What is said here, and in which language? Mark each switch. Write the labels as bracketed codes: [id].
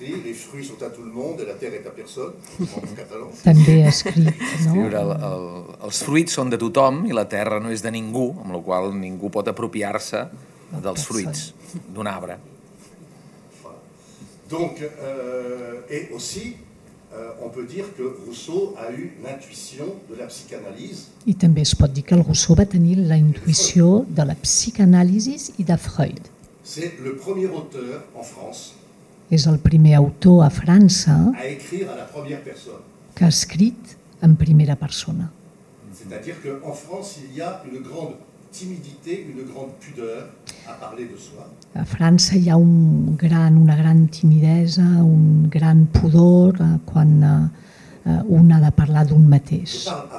[fr] Les fruits sont à tout le monde et la terre est à personne, [ca] en català. També ha escrit, no? Els fruits són de tothom i la terra no és de ningú, amb la qual ningú pot apropiar-se dels fruits d'un arbre. [fr] Donc, et aussi, on peut dire que Rousseau a eu l'intuition de la psychanalyse. [ca] I també es pot dir que el Rousseau va tenir la intuïció de la psicanàlisi i de Freud. [fr] C'est le premier auteur en France. [ca] És el primer autor a França [fr] a écrire à la première personne. [ca] Que ha escrit en primera persona. [fr] C'est-à-dire que en France il y a une grande timidité, une grande pudeur à parler de soi. [ca] A França hi ha una gran timidesa, un gran pudor quan un ha de parlar d'un mateix.